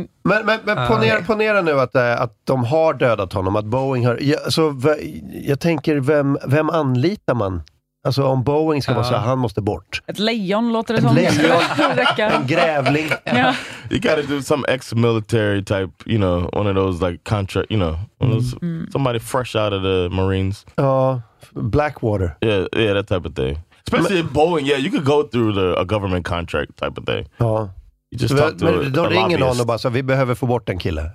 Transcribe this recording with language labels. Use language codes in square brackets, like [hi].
[sv] Men ponera nu att de har dödat honom, att Boeing har. Jag tänker vem anlitar man? Alltså om Boeing ska vara så här, han måste bort. Ett lejon låter det en som. En grävling. [en] Yeah. You gotta do some ex-military type, you know, one of those like contract, you know, one of those, somebody fresh out of the Marines. [sv] Ja, Blackwater. [en] Yeah, that type of thing. Especially in Boeing, yeah, you could go through a government contract type of thing. [sv] Ja. [en] You just talk to a lobbyist. [sv] Ringer någon och bara så, vi behöver få bort en kille.